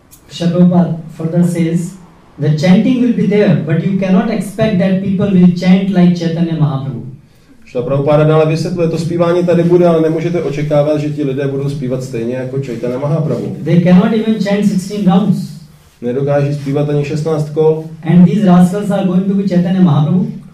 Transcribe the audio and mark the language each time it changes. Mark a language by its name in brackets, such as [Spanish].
[English] Shri Prabhupada further says, the chanting will be there, but you cannot expect that people will chant like Chaitanya Mahaprabhu. [Czech] Shri Prabhupada dále vysvětluje, to zpívání tady bude, ale nemůžete očekávat, že ti lidé budou zpívat stejně jako Chaitanya Mahaprabhu. [English] They cannot even chant 16 rounds. [Czech] Nedokáží zpívat ani 16 kol. [English] And these rascals are going to be Chaitanya Mahaprabhu.